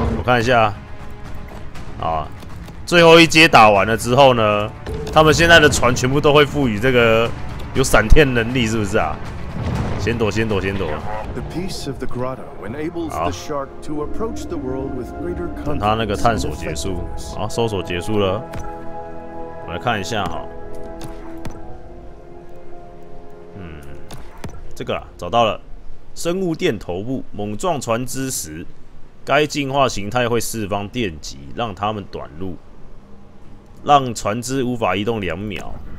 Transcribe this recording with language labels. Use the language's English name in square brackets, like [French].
[Chinese] 我看一下，啊，最后一阶打完了之后呢，他们现在的船全部都会赋予这个有闪电能力，是不是啊？先躲，先躲，先躲。 [English] The piece of the grotto enables the shark to approach the world with greater confidence. [Chinese] 等他那个探索结束，好，搜索结束了，我来看一下哈。这个、啊、找到了，生物电头部猛撞船只时，该进化形态会释放电极，让他们短路，让船只无法移动两秒。